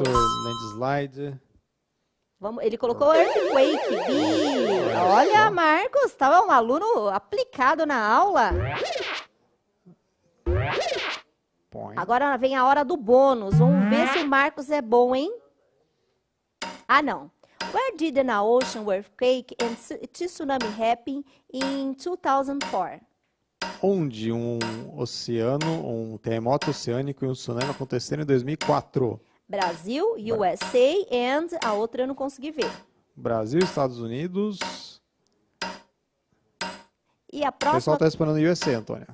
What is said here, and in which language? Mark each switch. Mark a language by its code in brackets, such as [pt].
[en] Vitor, landslide. [pt] Ele colocou earthquake. Olha, Marcos, estava um aluno aplicado na aula. [en] Point. [pt] Agora vem a hora do bônus. Vamos ver se o Marcos é bom, hein? Ah, não. [en] Where did an ocean earthquake and tsunami happen in 2004? [pt] Onde um oceano, um terremoto oceânico e um tsunami aconteceram em 2004? Brasil, USA, and a outra eu não consegui ver. Brasil, Estados Unidos. E a próxima... O pessoal tá esperando USA, Antônia.